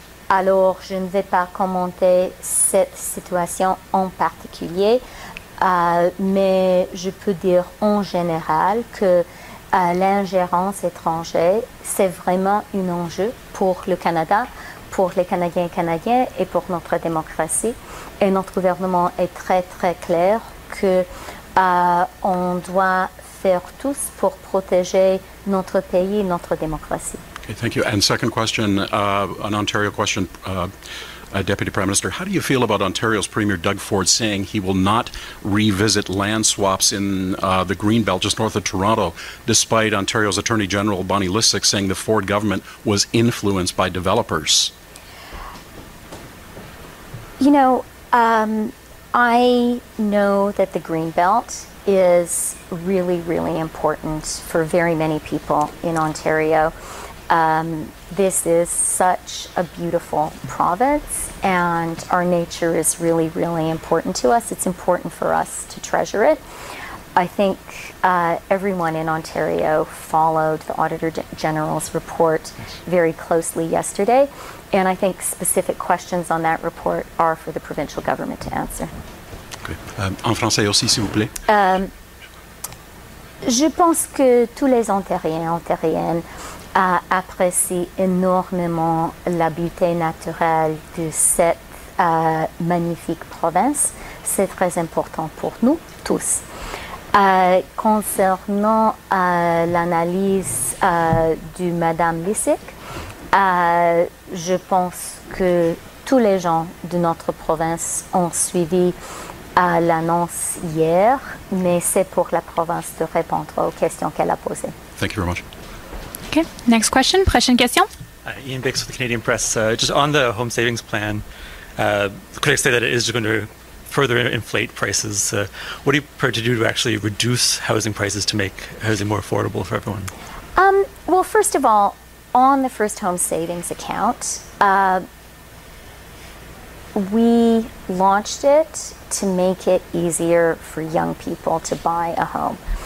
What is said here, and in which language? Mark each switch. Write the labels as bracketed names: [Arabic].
[French] Alors, je ne vais pas commenter cette situation en particulier, mais je peux dire en général que l'ingérence étrangère, c'est vraiment un enjeu pour le Canada, pour les Canadiens et Canadiens et pour notre démocratie. Et notre gouvernement est très, très clair que on doit faire tous pour protéger notre pays et notre démocratie. [English] Okay, thank you. And second question, an Ontario question, Deputy Prime Minister. How do you feel about Ontario's Premier Doug Ford saying he will not revisit land swaps in the Greenbelt just north of Toronto, despite Ontario's Attorney General Bonnie Lissick saying the Ford government was influenced by developers? You know, I know that the Greenbelt is really, really important for very many people in Ontario. This is such a beautiful province, and our nature is really, really important to us. It's important for us to treasure it. I think everyone in Ontario followed the Auditor General's report very closely yesterday, and I think specific questions on that report are for the provincial government to answer. [French] En français aussi, s'il vous plaît. Je pense que tous les Ontariens et Ontariennes apprécient énormément la beauté naturelle de cette magnifique province. C'est très important pour nous tous. Concernant l'analyse de Madame Lissick, je pense que tous les gens de notre province ont suivi l'annonce hier, mais c'est pour la province de répondre aux questions qu'elle a posées. [English] Thank you very much. Okay, next question. [French] Prochaine question. [English] Ian Bix with the Canadian Press. Just on the home savings plan, could I say that it is going to further inflate prices? What are you prepared to do to actually reduce housing prices to make housing more affordable for everyone? Well, first of all, on the first home savings account, we launched it to make it easier for young people to buy a home.